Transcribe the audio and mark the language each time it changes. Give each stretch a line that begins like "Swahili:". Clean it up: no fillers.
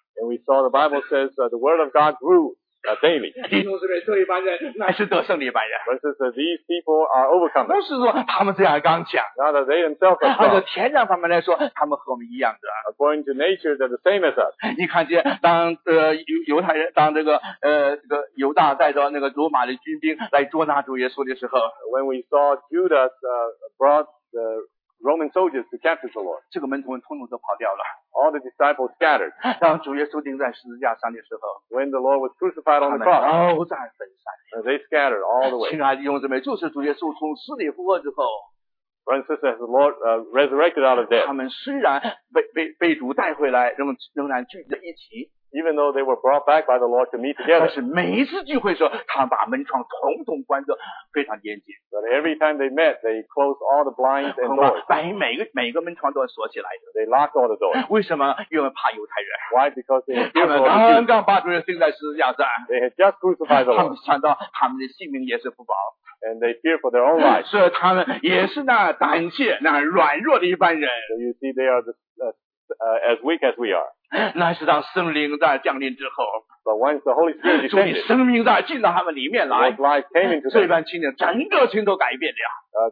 English: And we saw the Bible says the word of God grew daily.
Chinese: 弟兄姊妹，这一般人乃是得胜的一般人。
English: Versus these people are overcome.
Chinese: 不是说他们这样刚强。
English: Not that they themselves are strong.
Chinese: 按照天然方面来说，他们和我们一样的。
English: According to nature, they're the same as us.
Chinese: 你看见当犹太人当这个犹大带着那个罗马的军兵来捉拿主耶稣的时候
English: ，When we saw Judas brought the Roman Roman soldiers to capture the Lord.
Chinese: 这个门徒们统统都跑掉了。
English: All the disciples scattered.
Chinese: 当主耶稣钉在十字架上的时候
English: ，When the Lord was crucified on the cross,
Chinese: 他们都在分散。
English: They scattered all the way.
Chinese: 亲爱的弟兄姊妹，就是主耶稣从死里复活之后。
English: Brothers and sisters, the Lord resurrected out of death.
Chinese: 他们虽然被主带回来，仍然聚在一起。
English: Even though they were brought back by the Lord to meet together.
Chinese: 但是每一次聚会的时候，他们把门窗统统关着，非常严谨。
English: But every time they met, they closed all the blinds and doors.
Chinese: 每个门窗都要锁起来的。
English: They locked all the doors.
Chinese: 为什么？因为怕犹太人。
English: Why? Because they were afraid of the Jews.
Chinese: 他们刚刚把主耶稣钉在十字架上。
English: They had just crucified the Lord.
Chinese: 他们想到他们的性命也是不保。
English: And they fear for their own lives.
Chinese: 是他们也是那胆怯、那软弱的一般人。
English: So you see, they are as weak as we are.
Chinese: 那是当圣灵在降临之后。
English: But once the Holy Spirit descended,
Chinese: 主的生命在进到他们里面来。
English: The Lord's life came into them.
Chinese: 这般情景，整个情都改变了。